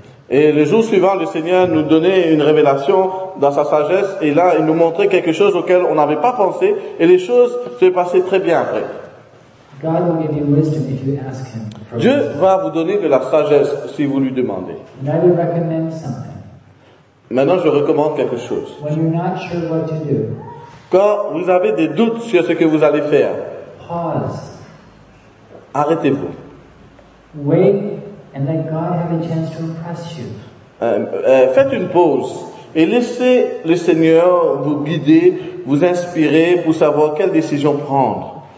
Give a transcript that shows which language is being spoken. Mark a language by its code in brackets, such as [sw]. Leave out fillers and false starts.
[fr] Et le jour suivant, le Seigneur nous donnait une révélation dans sa sagesse. Et là, il nous montrait quelque chose auquel on n'avait pas pensé. Et les choses se passaient très bien après. [en] God will give you wisdom if you ask him for [fr] Dieu wisdom. Va vous donner de la sagesse si vous lui demandez. [en] And I will recommend something. [fr] Maintenant, je recommande quelque chose. [en] When you're not sure what to do, [fr] quand vous avez des doutes sur ce que vous allez faire, [en] pause. [fr] Arrêtez-vous. [en] Wait and let God have a chance to impress you. [fr] Faites une pause et laissez le Seigneur vous guider, vous inspirer pour savoir quelle décision prendre.